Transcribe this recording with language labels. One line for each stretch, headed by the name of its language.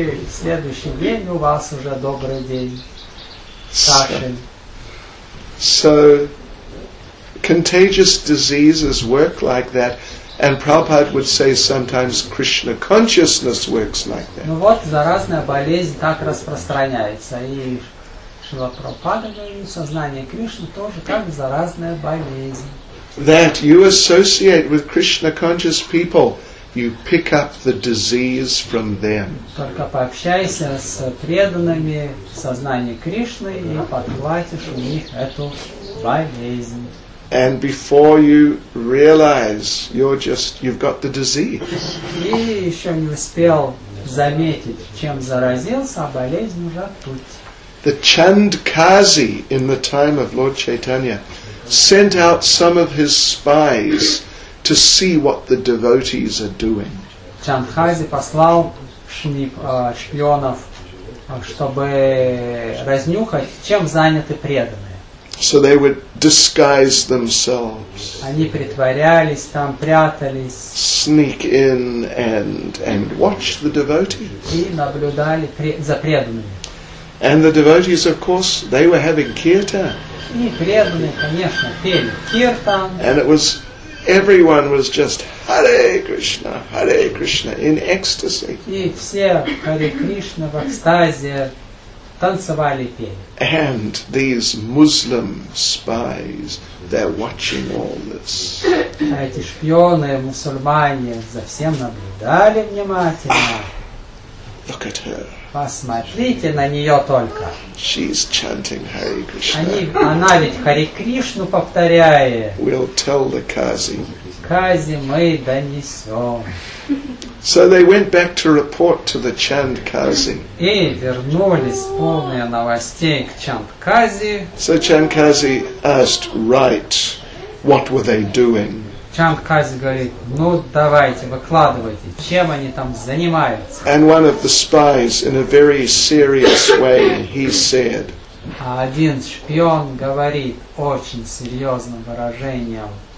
Russian: Следующий день у вас уже добрый день. Кашель.
English: So contagious diseases work like that, and Prabhupada would say sometimes Krishna consciousness works like that.
Russian: Ну вот заразная болезнь так распространяется, и Шрила Прабхупада говорит, сознание Кришны тоже как заразная болезнь.
English: That you associate with Krishna conscious people, you pick up the disease from them.
Russian: Только пообщайся с преданными сознания Кришны и подхватишь у них эту болезнь.
English: And before you realize, you've got the disease.
Russian: И еще не успел заметить, чем заразился, а болезнь уже тут.
English: The Chandkazi in the time of Lord Chaitanya sent out some of his spies to see what the devotees are doing.
Russian: Чандхази послал шпионов, чтобы разнюхать, чем заняты преданные.
English: So they would disguise themselves.
Russian: Они притворялись там, прятались.
English: Sneak in and watch the devotees.
Russian: И наблюдали за преданными.
English: And the devotees, of course, they were having kirtan.
Russian: И преданные, конечно, пели киртан.
English: And it was, everyone was just Hare Krishna in ecstasy.
Russian: И все Hare Krishna в экстазе танцевали и пели.
English: And these Muslim spies, they're watching all this.
Russian: А эти шпионы, мусульмане, за всем наблюдали внимательно.
English: Look at her.
Russian: Посмотрите на нее только.
English: She's chanting Hare Krishna.
Russian: Она ведь Хари Кришну повторяет.
English: We'll tell the Kazi.
Russian: Кази мы донесем.
English: So they went back to report to the Chand Kazi.
Russian: И вернулись полные новостей к Чанд Кази.
English: So Chand Kazi asked, right, what were they doing?
Russian: Чанд Кази говорит, давайте, выкладывайте, чем они там занимаются.
English: And one of the spies, in a very serious way, he said,
Russian: а один шпион говорит очень серьезным выражением,